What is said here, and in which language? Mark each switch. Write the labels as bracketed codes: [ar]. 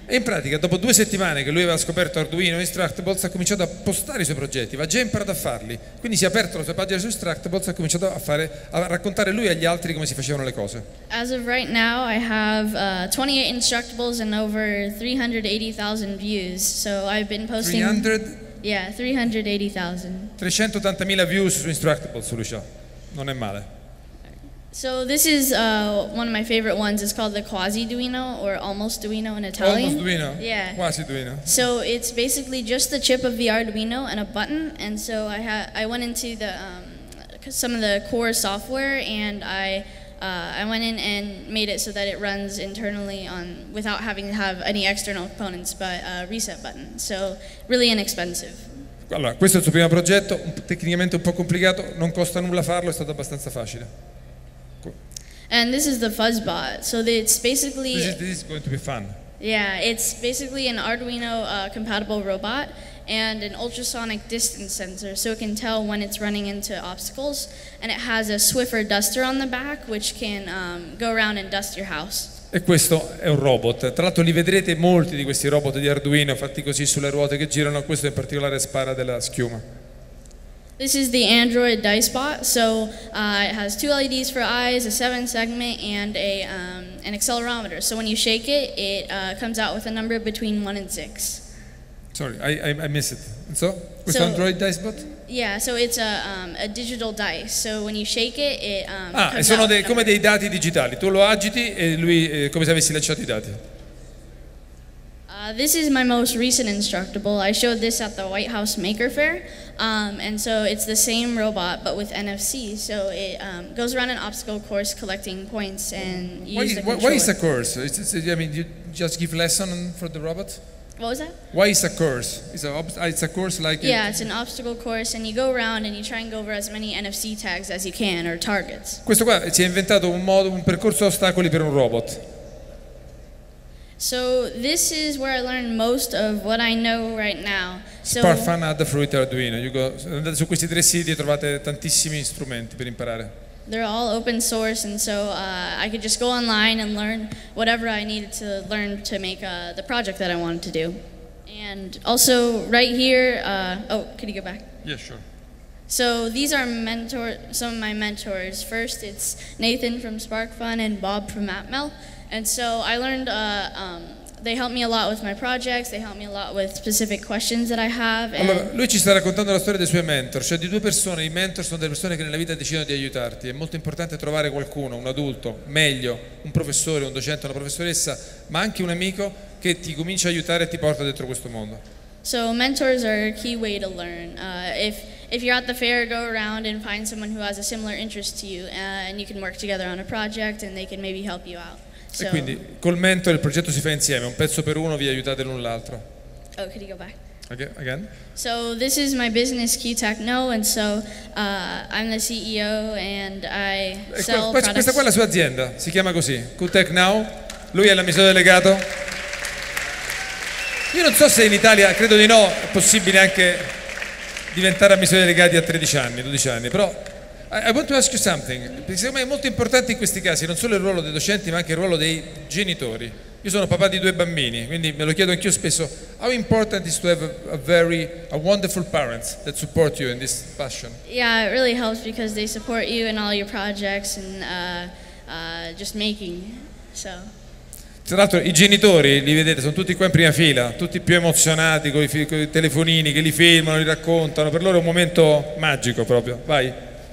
[it] E in pratica, dopo 2 settimane che lui aveva scoperto Arduino e Instructables, ha cominciato a postare i suoi progetti, ha già imparato a farli. Quindi si è aperto la sua pagina su Instructables e ha cominciato a raccontare lui e agli altri come si facevano le cose. [en] As of right now, I have 28 Instructables and over 380,000 views. So I've been posting... 300? Yeah, 380,000. [it] 380,000 views su Instructables, Lucia. Non è male. [en] So this is one of my favorite ones. It's called the Quasi-Duino or Almost Duino in Italian. Almost Duino? Yeah. Quasi-Duino. So it's basically just the chip of the Arduino and a button. And so I went into the some of the core software, and I went in and made it so that it runs internally on without having to have any external components but a reset button. So really inexpensive. [it] Allora, questo è il suo primo progetto, tecnicamente un po' complicato, non costa nulla farlo, è stato abbastanza facile. [en] And this is the Fuzzbot. So it's basically this is going to be fun. Yeah, it's basically an Arduino compatible robot and an ultrasonic distance sensor, so it can tell when it's running into obstacles. And it has a Swiffer duster on the back, which can go around and dust your house. [it] E questo è un robot. Tra l'altro li vedrete molti di questi robot di Arduino fatti così sulle ruote che girano. Questo in particolare spara della schiuma. [en] This is the Android Dicebot. So it has two LEDs for eyes, a 7-segment, and an accelerometer. So when you shake it, it comes out with a number between 1 and 6. Sorry, I miss it. And so, with so, Android Dicebot? Yeah, so it's a digital dice. So when you shake it, it comes out. [it] Ah, sono come dei dati digitali. Tu lo agiti e lui come se avessi lanciato i dati. [en] This is my most recent instructable. I showed this at the White House Maker Faire. And so it's the same robot, but with NFC. So it goes around an obstacle course collecting points and Why is the course? You just give lesson for the robot? What was that? Why is a course? It's a course like... Yeah, it's an obstacle course, and you go around and you try and go over as many NFC tags as you can, or targets. [it] Questo qua si è inventato un percorso ostacoli per un robot. [en] So this is where I learned most of what I know right now. So Sparfun, Adafruit, Arduino. You go, [it] andate su questi tre siti e trovate tantissimi strumenti per imparare. [en] They're all open source, and so I could just go online and learn whatever I needed to learn to make the project that I wanted to do. And also right here, could you go back? Yeah, sure. So these are some of my mentors. First, it's Nathan from Sparkfun and Bob from Atmel. And so I learned, they helped me a lot with my projects, they helped me a lot with specific questions that I have. [it] Allora, lui ci sta raccontando la storia dei suoi mentor, cioè di due persone. I mentor sono delle persone che nella vita decidono di aiutarti. È molto importante trovare qualcuno, un adulto, meglio, un professore, un docente, una professoressa, ma anche un amico che ti comincia a aiutare e ti porta dentro questo mondo. [en] So mentors are a key way to learn. If you're at the fair, go around and find someone who has a similar interest to you, and you can work together on a project and they can maybe help you out. [it] E quindi col mentore il progetto si fa insieme, un pezzo per uno, vi aiutate l'un l'altro. [en] Oh, could you go back? Okay, again. So this is my business, Key Techno, and so I'm the CEO and I sell products. [it] Questa qua è la sua azienda, si chiama così, Key Techno. Lui è l'amministratore delegato. Io non so se in Italia, credo di no, è possibile anche diventare amministratore delegati a 13 anni, 12 anni, però... [en] I want to ask you something, [it] perché secondo me è molto importante in questi casi non solo il ruolo dei docenti ma anche il ruolo dei genitori. Io sono papà di due bambini, quindi me lo chiedo anch'io spesso. [en] How important is to have a wonderful parents that support you in this passion? Yeah, it really helps because they support you in all your projects and just making, so. [it] Tra l'altro i genitori, li vedete, sono tutti qua in prima fila, tutti più emozionati con i telefonini che li filmano, li raccontano, per loro è un momento magico proprio, vai.